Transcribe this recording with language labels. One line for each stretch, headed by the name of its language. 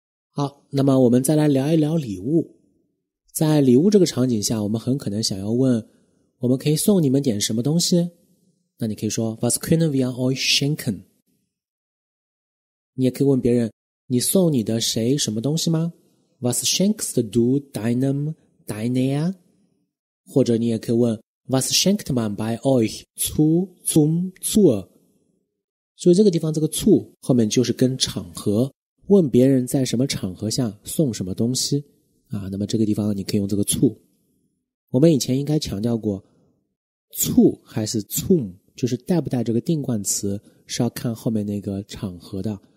Chinese: 好，那么我们再来聊一聊礼物。在礼物这个场景下，我们很可能想要问我们可以送你们点什么东西，那你可以说
German: Was können wir euch schenken，
Chinese: 你也可以问别人你送你的谁什么东西吗？
German: Was schenkst du deinem deiner？或者你也可以问 Was schenkt man bei euch zu zum zur？
Chinese: 所以这个地方这个 zu 后面就是跟场合，问别人在什么场合下送什么东西啊。那么这个地方你可以用这个 zu。我们以前应该强调过 zu 还是 zum， 就是带不带这个定冠词是要看后面那个场合的。